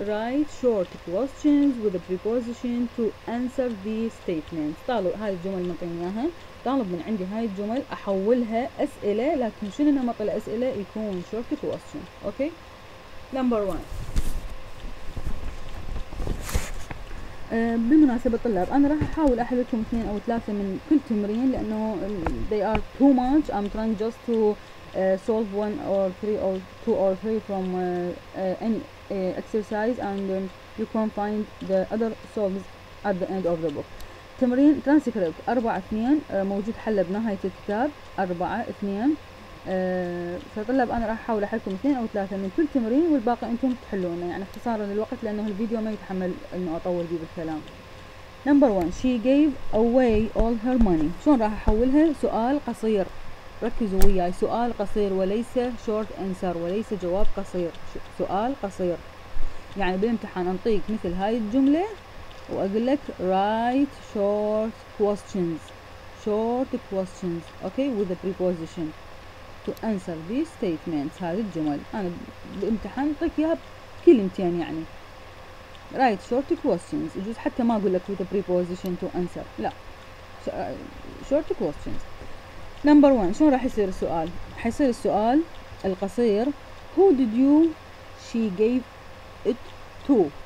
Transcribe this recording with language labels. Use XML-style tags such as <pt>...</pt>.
<en>Write short questions with a preposition to answer these statements.</en> <ar>طالب هاي الجمل مطينيها، طالب من عندي هاي الجمل أحولها أسئلة، لكن شنو نمط الأسئلة؟ يكون</ar> <en>short question. Okay. Number one.</en> <ar>بالمناسبة طلاب، أنا راح أحاول أحلكم اثنين أو ثلاثة من كل تمرين، لأنه</ar> <en>they are too much. I'm trying just to solve one or three or two or three from any exercise, and you can find the other solves at the end of the book.</en> <ar>تمرين transcript 4-2 موجود حله بنهاية الكتاب 4-2. فطلب أنا راح أحاول أحلكم اثنين أو ثلاثة من كل تمرين، والباقي أنتم تحلونه، يعني اختصارا للوقت، لأنه الفيديو ما يتحمل إنه أطول فيه بالكلام.</ar> <en>Number one, she gave away all her money.</en> <ar>شلون راح أحولها؟ سؤال قصير. ركزوا وياي، سؤال قصير وليس</ar> <en>short answer،</en> <ar>وليس جواب قصير، سؤال قصير. يعني بالامتحان أنطيك مثل هاي الجملة وأقول لك</ar> <en>write short questions. Short questions. Okay, with a preposition to answer these statements.</en> <ar>هذه الجمل أنا بالامتحان أنطيك إياها بكلمتين، يعني</ar> <en>write short questions.</en> <ar>يجوز حتى ما أقول لك</ar> <en>with a preposition to answer،</en> <ar>لا،</ar> <en>short questions. Number one،</en> <ar>شو راح يصير السؤال؟ حيصير السؤال القصير</ar> <en>who did you she gave it to.</en>